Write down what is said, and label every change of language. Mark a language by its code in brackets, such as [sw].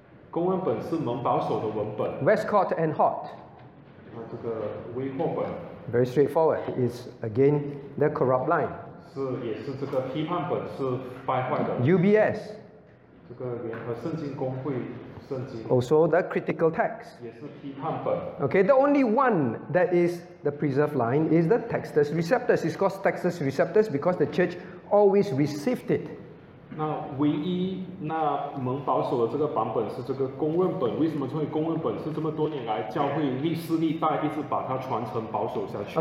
[zh] 公文本是蒙保守的文本。 [en] Westcott and Hort. [zh] 那这个威霍本。 [en] Very straightforward. It's again the corrupt line. [zh] 是也是这个批判本是败坏的。 [en] UBS. [zh] 这个联合圣经公会圣经。 [en] Also the critical text. [zh] 也是批判本。 [en] Okay, the only one that is the preserved line is the Textus Receptus. It's called Textus Receptus because the church always received it. [zh] 那唯一那蒙保守的这个版本是这个公认本，为什么称为公认本？是这么多年来教会历世历代一直把它传承保守下去。